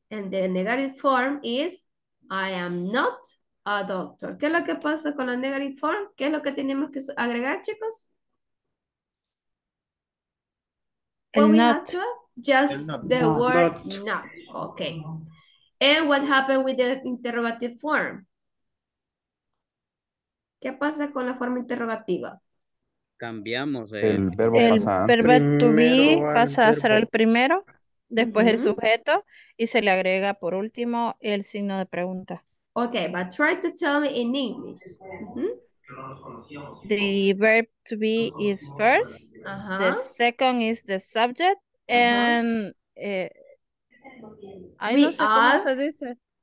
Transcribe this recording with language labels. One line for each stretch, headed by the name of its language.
English: And the negative form is I am not a doctor.
Spanish: ¿Qué es lo que pasa con la negative form? ¿Qué es lo que tenemos que agregar, chicos?
English: When we not. Have to, just not. The not. Word not. Not, ok. And what happened with the interrogative form?
Spanish: ¿Qué pasa con la forma interrogativa? Cambiamos el verbo pasado. El verbo to be pasa a ser el primero, después el sujeto, y se le agrega por último el signo de pregunta.
English: Ok, but try to tell me in English. The verb to be is first, the second is the subject, and I don't know how
Spanish: se dice.